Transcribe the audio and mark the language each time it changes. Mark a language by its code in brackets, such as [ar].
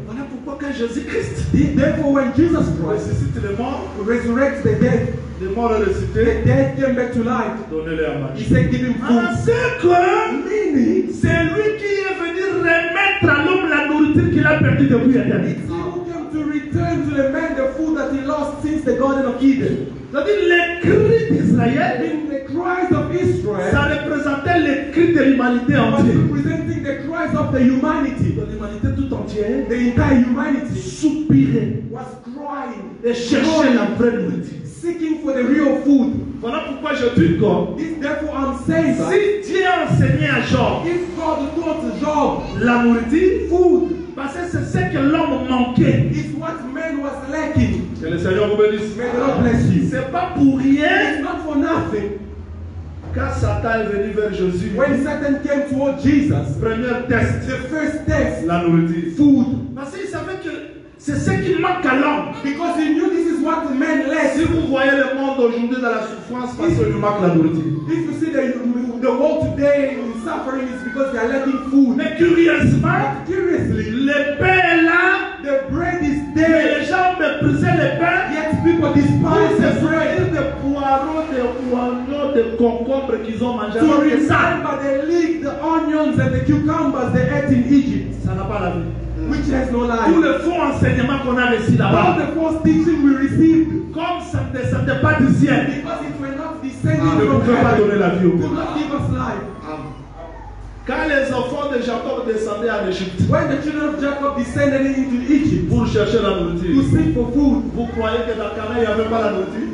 [fr] Voilà pourquoi quand Jésus-Christ, [en] therefore when Jesus Christ [fr] ressuscite les morts, [en] resurrects the dead. [fr] Les morts ressuscités. [en] The dead came back to life. [fr] Donnez-les à manger. [en] He said, give him food. [fr] C'est quoi? [en] Meaning, [fr] c'est lui qui est venu remettre à l'homme la nourriture qu'il a perdue depuis la terre. [en] It's him who came to return to the man the food that he lost since the Garden of Eden. [fr] C'est-à-dire les cris d'Israël. [en] In the cries of Israel. [fr] Ça représentait les cris de l'humanité entière. [en] Representing the cries of the humanity. [fr] De l'humanité tout entière. [en] The entire humanity. [fr] Soupirait. [en] Was crying. [fr] Et cherchait la vraie nourriture. [en] Seeking for the real food. [fr] Voilà pourquoi je dis quoi. [en] Therefore I'm saying [fr] si Dieu a enseigné à Job. [en] If God taught Job [fr] la nourriture, [en] food, [fr] parce que c'est ce que l'homme manquait. [en] It's what man was lacking. [fr] Que le Seigneur vous bénisse. [en] May God bless you. [fr] C'est pas pour rien. [en] It's not for nothing. [fr] Quand Satan est venu vers Jésus. [en] When Satan came toward Jesus. [fr] Premier test. [en] The first test. [fr] La nourriture. [en] Food. [fr] Parce qu'il savait que C'est ce qui manque à l'homme. [en] Because he knew this is what men lack. [fr] Si vous voyez le monde aujourd'hui dans la souffrance, parce qu'il nous manque la nourriture. [en] If you see the world today in suffering, it's because they are lacking food. [fr] Mais curieusement, [en] curiously, [fr] le pain est là. [en] The bread is there. [fr] Les gens méprisaient le pain. [en] Yet people despise the bread. [fr] Ils ont poireaux, des concombres qu'ils ont mangé. [en] To remember the leek, the onions and the cucumbers they ate in Egypt. [fr] Ça n'a pas la vie. [en] Which has no life. [fr] Tout le faux enseignement qu'on a reçu là-bas. [en] All the false teaching we received. [fr] Comme ça ne descendait pas du ciel. [en] Because it will not descend from heaven. [fr] Ne pouvait pas donner la vie au [en] monde. Could not give us life. [fr] Quand les enfants de Jacob descendaient en Égypte. [en] When the children of Jacob descended into Egypt. [fr] Pour chercher la nourriture. [en] To seek for food. [fr] Vous croyez que dans Canaan il n'y avait pas la nourriture?